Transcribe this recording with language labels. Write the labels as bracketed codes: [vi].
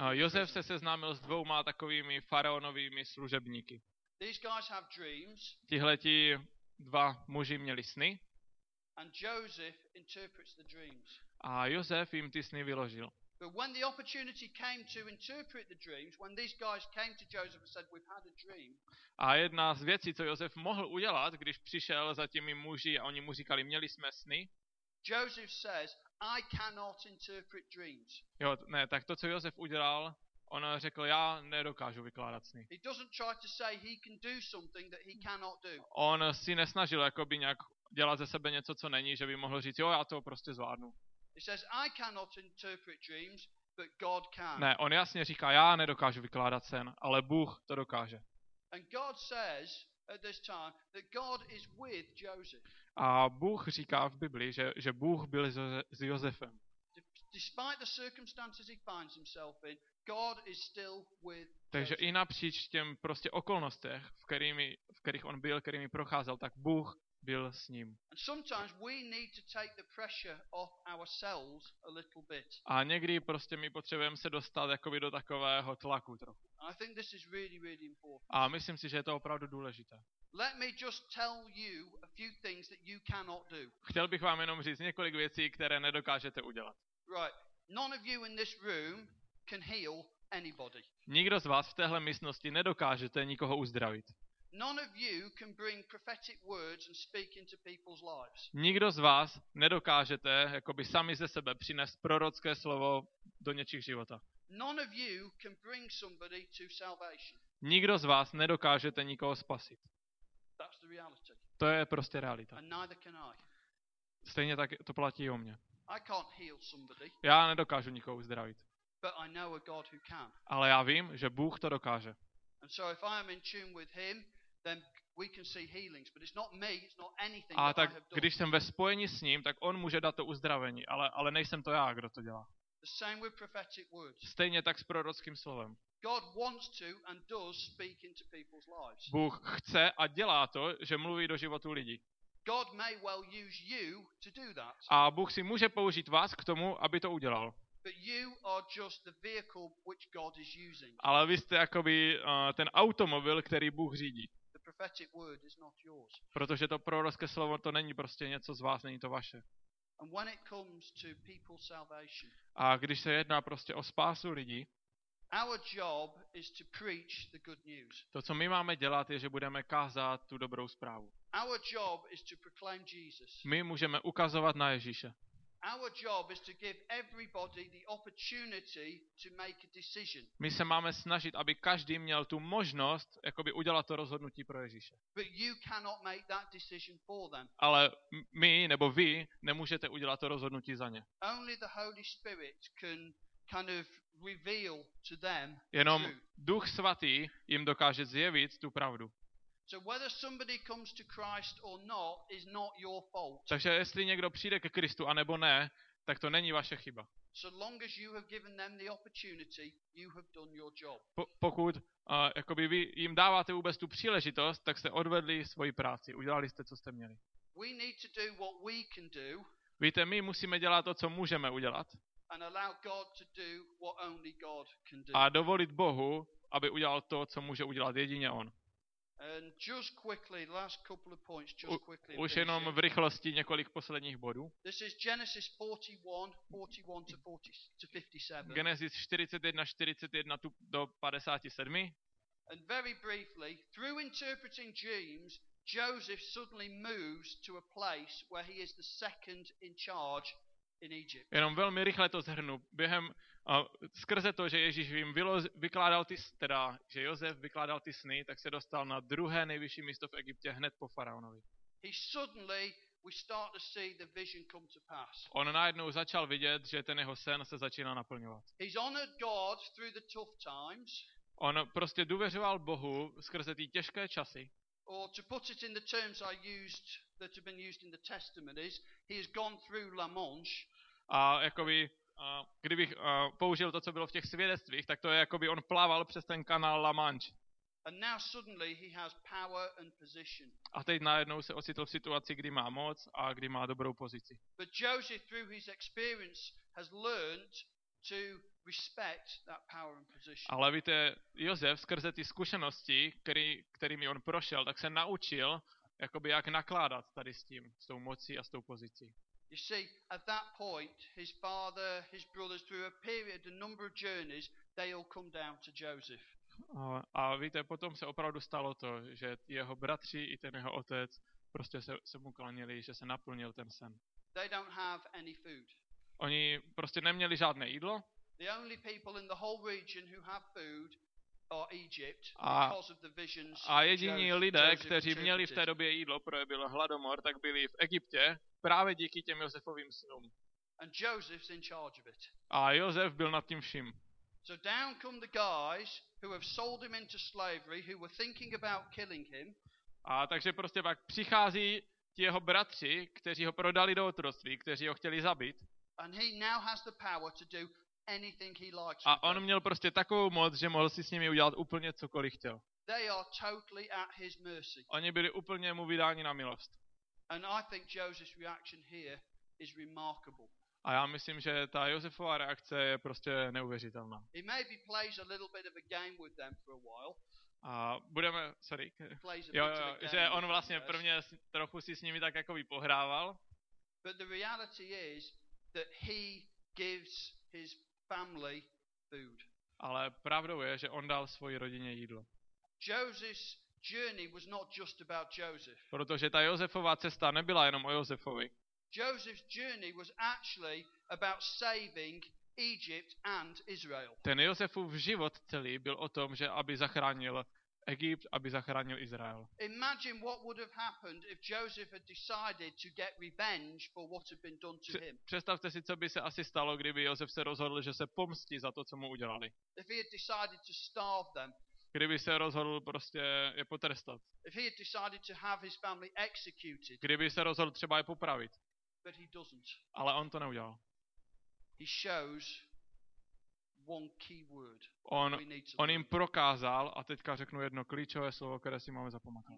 [cs] Josef se seznámil s dvouma takovými faraonovými služebníky. [en] These guys have dreams. [cs] Tihleti dva muži měli sny. [en] And Joseph interprets the dreams. [cs] A Josef jim ty sny vyložil. [en] But when the opportunity came to interpret the dreams, when these guys came to Joseph and said, "We've had a dream." [cs] A jedna z věcí, co Josef mohl udělat, když přišel za těmi muži a oni mu říkali, měli jsme sny. [en] Joseph says, "I cannot interpret dreams." [cs] Jo, ne, tak to, co Josef udělal, on řekl, já nedokážu vykládat sny. [en] He doesn't try to say he can do something that he cannot do. [cs] On si nesnažil jakoby nějak dělat ze sebe něco, co není, že by mohl říct, jo, já to prostě zvládnu. [en] He says, I cannot interpret dreams, but God can. [cs] Ne, on jasně říká, já nedokážu vykládat sen, ale Bůh to dokáže. [en] And God says at this time that God is with Joseph. [cs] A Bůh říká v Bibli, že Bůh byl s Josefem. [en] Despite the circumstances he finds himself in, God is still with Joseph. [cs] Takže i napříč těm prostě okolnostech, v kterých on byl, kterými procházel, tak Bůh byl s ním. [en] And sometimes we need to take the pressure off ourselves a little bit. [cs] A někdy prostě my potřebujeme se dostat jakoby do takového tlaku trochu. [en] I think this is really, really important. [cs] A myslím si, že je to opravdu důležité. [en] Let me just tell you a few things that you cannot do. [cs] Chtěl bych vám jenom říct několik věcí, které nedokážete udělat. [en] Right. None of you in this room can heal anybody. [cs] Nikdo z vás v téhle místnosti nedokážete nikoho uzdravit. [en] None of you can bring prophetic words and speak into people's lives. [cs] Nikdo z vás nedokážete jakoby sami ze sebe přinést prorocké slovo do něčích života. [en] None of you can bring somebody to salvation. [cs] Nikdo z vás nedokážete nikoho spasit. [en] That's the reality. [cs] To je prostě realita. [en] And neither can I. [cs] Stejně tak to platí i o mě. [en] I can't heal somebody. [cs] Já nedokážu nikoho uzdravit. [en] But I know a God who can. [cs] Ale já vím, že Bůh to dokáže. [en] And so if I am in tune with him, then we can see healings, but it's not me, it's not anything that I have done. [cs] A tak když jsem ve spojení s ním, tak on může dát to uzdravení, ale nejsem to já, kdo to dělá. [en] The same with prophetic words. [cs] Stejně tak s prorockým slovem. [en] God wants to and does speak into people's lives. [cs] Bůh chce a dělá to, že mluví do životu lidí. [en] God may well use you to do that. [cs] A Bůh si může použít vás k tomu, aby to udělal. [en] But you are just the vehicle which God is using. [cs] Ale vy jste jakoby ten automobil, který Bůh řídí. [en] The prophetic word is not yours. [cs] Protože to prorocké slovo to není prostě něco z vás, není to vaše. [en] And when it comes to people's salvation. [cs] A když se jedná prostě o spásu lidí. [en] Our job is to preach the good news. [cs] To, co my máme dělat, je, že budeme kázat tu dobrou zprávu. [en] Our job is to proclaim Jesus. [cs] My můžeme ukazovat na Ježíše. [en] Our job is to give everybody the opportunity to make a decision. [cs] My se máme snažit, aby každý měl tu možnost jakoby udělat to rozhodnutí pro Ježíše. [en] But you cannot make that decision for them. [cs] Ale my nebo vy nemůžete udělat to rozhodnutí za ně. [en] Only the Holy Spirit can kind of reveal to them. [cs] Jenom Duch svatý jim dokáže zjevit tu pravdu. [en] So whether somebody comes to Christ or not is not your fault. [cs] Takže jestli někdo přijde ke Kristu a nebo ne, tak to není vaše chyba. [en] So long as you have given them the opportunity, you have done your job. [cs] Pokud jakoby vy jim dáváte vůbec tu příležitost, tak jste odvedli svoji práci, udělali jste, co jste měli. [en] We need to do what we can do. [cs] Víte, my musíme dělat to, co můžeme udělat. [en] And allow God to do what only God can do. [cs] A dovolit Bohu, aby udělal to, co může udělat jedině on. [en] And just quickly, last couple of points, just quickly. [cs] Už jenom v rychlosti několik posledních bodů. [en] This is Genesis 41:41-57. [cs] Genesis 41:41 do 57. [en] And very briefly, through interpreting dreams, Joseph suddenly moves to a place where he is the second in charge in Egypt. [cs] Jenom velmi rychle to shrnu. Během skrze to, že Ježíš jim vykládal ty, teda, že Josef vykládal ty sny, tak se dostal na druhé nejvyšší místo v Egyptě hned po faraonovi. [en] He suddenly we start to see the vision come to pass. [cs] On najednou začal vidět, že ten jeho sen se začíná naplňovat. [en] He's honored God through the tough times. [cs] On prostě důvěřoval Bohu skrze ty těžké časy. [en] Or to put it in the terms I used that have been used in the testimonies, he has gone through La Manche. [cs] A jakoby kdybych použil to, co bylo v těch svědectvích, tak to je jakoby on plaval přes ten kanál La Manche. [en] And now suddenly he has power and position. [cs] A teď najednou se ocitl v situaci, kdy má moc a kdy má dobrou pozici. [en] But Joseph through his experience has learned to respect that power and position. [cs] Ale víte, Josef skrze ty zkušenosti, kterými on prošel, tak se naučil jakoby jak nakládat tady s tím, s tou mocí a s tou pozicí. [en] You see, at that point, his father, his brothers, through a period, a number of journeys, they all come down to Joseph. [cs] A víte, potom se opravdu stalo to, že jeho bratři i ten jeho otec prostě se mu klanili, že se naplnil ten sen. [en] They don't have any food. [cs] Oni prostě neměli žádné jídlo. [en] The only people in the whole region who have food are Egypt because of the visions. [cs] A jediní lidé, kteří měli v té době jídlo, protože byl hladomor, tak byli v Egyptě právě díky těm Josefovým snům. [en] And Joseph's in charge of it. [cs] A Josef byl nad tím vším. [en] So down come the guys who have sold him into slavery, who were thinking about killing him. [cs] A takže prostě pak přichází ti jeho bratři, kteří ho prodali do otroctví, kteří ho chtěli zabít. [en] And he now has the power to do anything he likes. [cs] A on měl prostě takovou moc, že mohl si s nimi udělat úplně cokoliv chtěl. [en] They are totally at his mercy. [cs] Oni byli úplně mu vydáni na milost. [en] And I think Joseph's reaction here is remarkable. [cs] A já myslím, že ta Josefova reakce je prostě neuvěřitelná. [en] He maybe plays a little bit of a game with them for a while. [cs] A budeme, sorry. Jo, že on vlastně prvně trochu si s nimi tak jako vypohrával. [en] But the reality is that he gives his family food. [cs] Ale pravdou je, že on dal svoji rodině jídlo. [en] Joseph's journey was not just about Joseph. [cs] Protože ta Josefova cesta nebyla jenom o Josefovi. [en] Joseph's journey was actually about saving Egypt and Israel. [cs] Ten Josefův život celý byl o tom, že aby zachránil Egypt, aby zachránil Izrael. [en] Imagine what would have happened if Joseph had decided to get revenge for what had been done to him. [cs] Představte si, co by se asi stalo, kdyby Josef se rozhodl, že se pomstí za to, co mu udělali. [en] If he had decided to starve them. [cs] Kdyby se rozhodl prostě je potrestat. [en] If he had decided to have his family executed. [cs] Kdyby se rozhodl třeba je popravit. [en] But he doesn't. [cs] Ale on to neudělal. [en] He shows one key word. [cs] On jim prokázal a teďka řeknu jedno klíčové slovo, které si máme zapamatovat.